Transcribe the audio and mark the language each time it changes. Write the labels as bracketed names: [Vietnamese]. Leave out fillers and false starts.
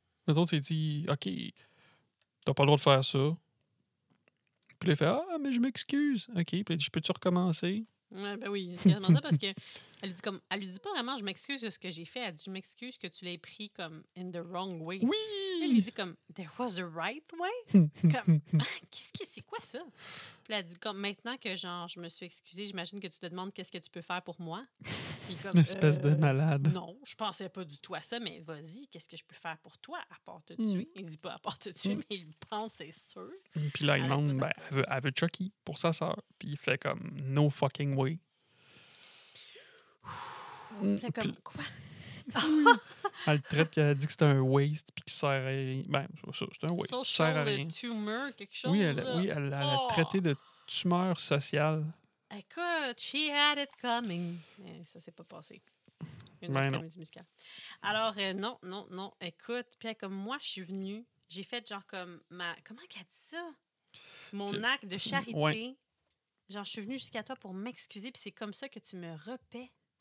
[French] Mettons, tu dis, OK, t'as pas le droit de faire ça. Puis elle fait, ah, mais je m'excuse. OK, puis elle dit, je peux-tu recommencer? Ouais, ben oui, c'est vraiment ça, parce qu'elle dit comme, elle lui dit pas vraiment, je m'excuse de ce que j'ai fait. Elle dit, je m'excuse que tu l'aies pris comme [English] in the wrong way. [French] Oui! Elle lui dit comme, [English] there was a right way? [French] Comme, qu'est-ce que c'est quoi ça? Puis elle dit comme, maintenant que genre, je me suis excusée, j'imagine que tu te demandes qu'est-ce que tu peux faire pour moi. Comme, une espèce de malade. Non, je pensais pas du tout à ça, mais vas-y, qu'est-ce que je peux faire pour toi? À part te tuer. Il dit pas à part te tuer, mais il pense, c'est sûr. Puis là, il demande, ben, elle veut Chucky pour sa sœur. Puis il fait comme, [English] no fucking way. [French] Puis comme, quoi? Elle traite qu'elle a dit que c'était un waste puis qu'il sert à rien. Ben, c'est un waste. Social sert à rien. Tumor, quelque chose. Oui, elle a traité de tumeur sociale. Écoute, [English] she had it coming. [French] Mais ça s'est pas passé. Une autre comédie musicale. Alors, non. Écoute, puis comme moi, je suis venue, j'ai fait genre comme ma. Comment qu'elle dit ça? Mon acte de charité. Ouais. Genre, je suis venue jusqu'à toi pour m'excuser, puis c'est comme ça que tu me repais.